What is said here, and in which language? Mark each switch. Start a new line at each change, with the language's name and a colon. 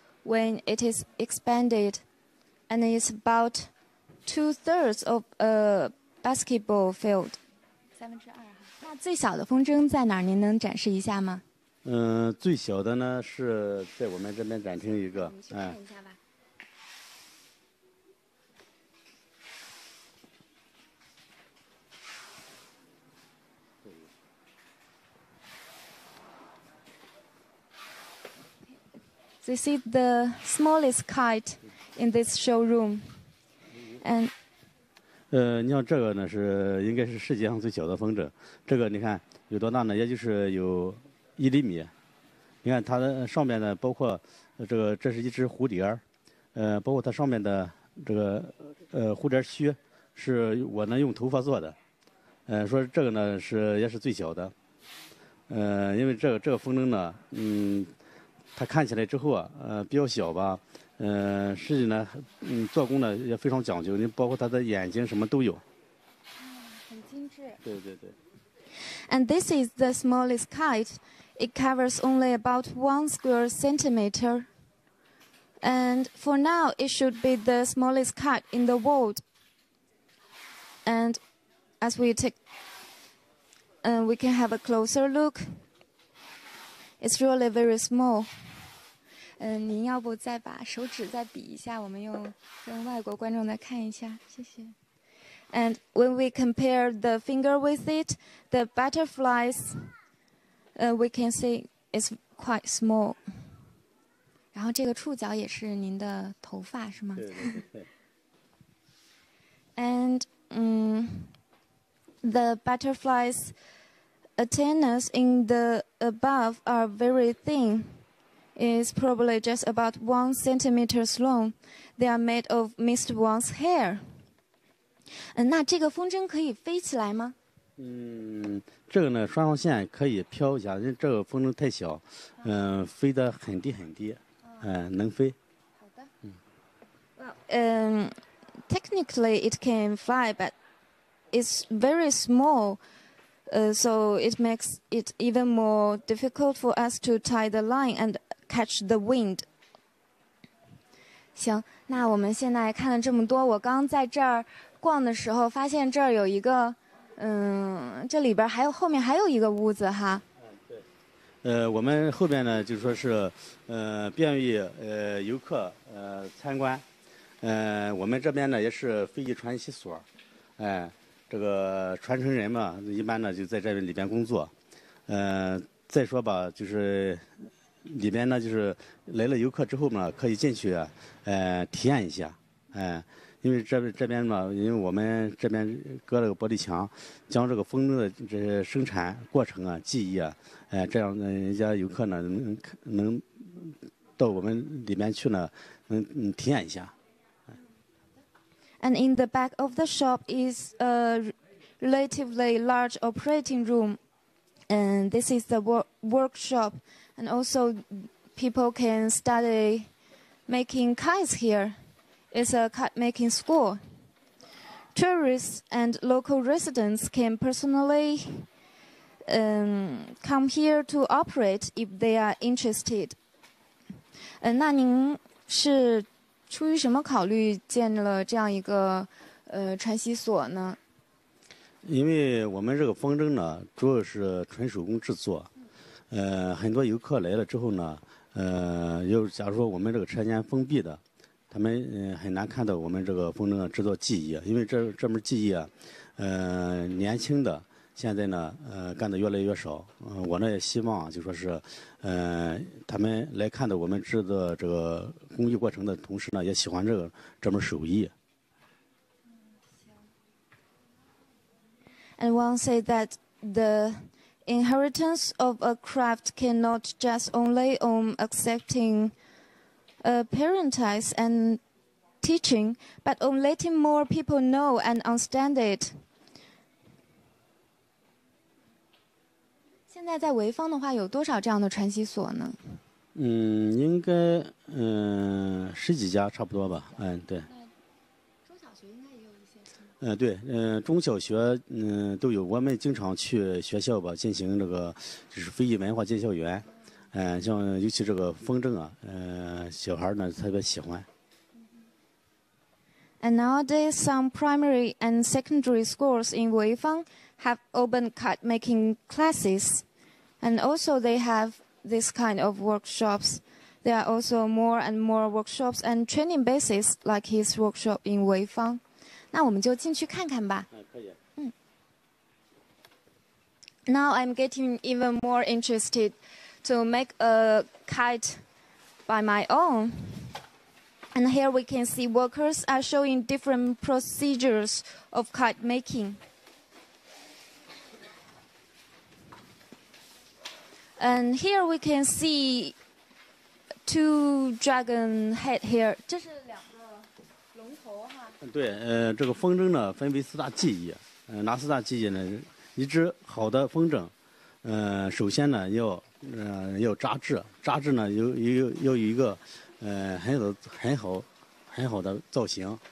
English: When it is expanded, and it's about 2/3 of a basketball field.
Chinese: 三分之二。那最小的风筝在哪儿？您能展示一下吗？最小的呢是在我们这边展厅一个。你去看一下吧。
English: This is the smallest kite in this showroom. And,
Chinese: 你像这个呢是应该是世界上最小的风筝。这个你看有多大呢？也就是有1厘米。你看它的上面呢，包括这个，这是一只蝴蝶，包括它上面的这个蝴蝶须，是我呢用头发做的。说这个呢是也是最小的。因为这个风筝呢，它看起来之后啊，比较小吧，实际呢，做工呢也非常讲究，你包括它的眼睛什么都有。很精致。对对对。
English: And this is the smallest kite. It covers only about 1 square centimeter. And for now, it should be the smallest kite in the world. And as we take, we can have a closer look. It's really very small.
Chinese: 您要不再把手指再比一下，我们用跟外国观众再看一下，谢谢。
English: And when we compare the finger with it, the butterflies, we can see it's quite small.
Chinese: 然后这个触角也是您的头发是吗？对对对。
English: And the butterflies' antennas in the above are very thin. Is probably just about 1 centimeter long. They are made of Mr. Wang's hair.
Chinese: 那这个风筝可以飞起来吗？这个呢，双黄线可以飘一下，因为这个风筝太小，飞得很低很低，能飞。好的。
English: Technically it can fly, but it's very small. So it makes it even more difficult for us to tie the line and. Catch the wind.
Chinese: 行，那我们现在看了这么多，我刚在这儿逛的时候，发现这儿有一个，这里边还有后面还有一个屋子哈。对。我们后边呢，就是说是，便于游客参观。我们这边呢也是飞机传习所，这个传承人嘛，一般呢就在这里边工作。再说吧，就是。里边呢，就是来了游客之后呢，可以进去，体验一下，因为这边嘛，因为我们这边隔了个玻璃墙，将这个风筝的这些生产过程啊、技艺啊，这样人家游客呢能到我们里面去呢，能体验一下。
English: And in the back of the shop is a relatively large operating room, and this is the workshop. And also, people can study making kites here. It's a kite-making school. Tourists and local residents can personally come here to operate if they are interested.
Chinese: 那您是出于什么考虑建了这样一个传习所呢？因为我们这个风筝呢，主要是纯手工制作，很多游客来了之后呢，又假如说我们这个车间封闭的，他们很难看到我们这个风筝的制作技艺，因为这门技艺啊，年轻的现在呢，干的越来越少。我呢也希望就说是，他们来看到我们制作这个工艺过程的同时呢，也喜欢这门手艺。
English: And one say that the inheritance of a craft cannot just only on accepting parentage and teaching, but on letting more people know and understand it.
Chinese: 现在在潍坊的话，有多少这样的传习所呢？应该十几家差不多吧。对。对，中小学都有，我们经常去学校吧进行这个就是非遗文化介绍员，像尤其这个风筝啊，小孩呢特别喜欢。
English: And nowadays some primary and secondary schools in Weifang have open kite making classes, and also they have this kind of workshops. There are also more and more workshops and training bases like his workshop in Weifang.
Chinese: 那我们就进去看看吧。嗯。
English: Now I'm getting even more interested to make a kite by my own. And here we can see workers are showing different procedures of kite making. And here we can see two dragon head here.
Chinese: 这是两个龙头哈。对，这个风筝呢分为四大技艺，哪四大技艺呢？一只好的风筝，首先呢要扎制，扎制呢有一个很好的造型。